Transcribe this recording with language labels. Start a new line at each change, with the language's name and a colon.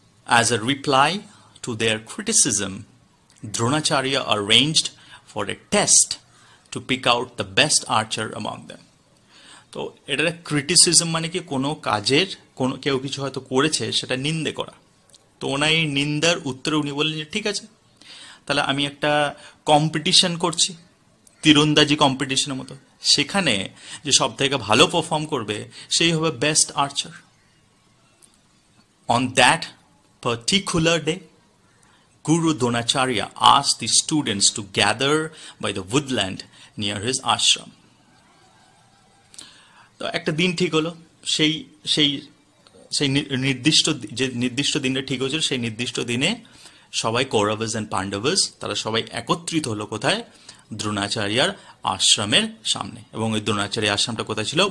English: as a reply to their criticism Dronacharya arranged for a test to pick out the best archer among them,
Bangla: তো এটা criticism মানে কি কোনো কাজের কোনো কেউ কিছু হয়তো করেছে সেটা নিন্দে করা, তো ওনার এই নিন্দার উত্তরে উনি বললেন যে ঠিক আছে তাহলে আমি একটা কম্পিটিশন করছি তীরন্দাজি কম্পিটিশনের মতো, সেখানে যে সব থেকে ভালো পারফর্ম করবে সেই হবে best archer.
English: On that particular day, Guru Dronacharya asked the students to gather by the woodland near his ashram.
Bangla: তো একটা দিন ঠিক হলো, সেই সেই সেই নির্দিষ্ট যে নির্দিষ্ট দিনটা ঠিক হয়েছিল সেই নির্দিষ্ট দিনে সবাই কৌরবস এন্ড পাণ্ডবস তারা সবাই একত্রিত হলো কোথায়? দ্রোণাচার্যার আশ্রমের সামনে। এবং ওই দ্রোণাচার্য আশ্রমটা কোথায় ছিল?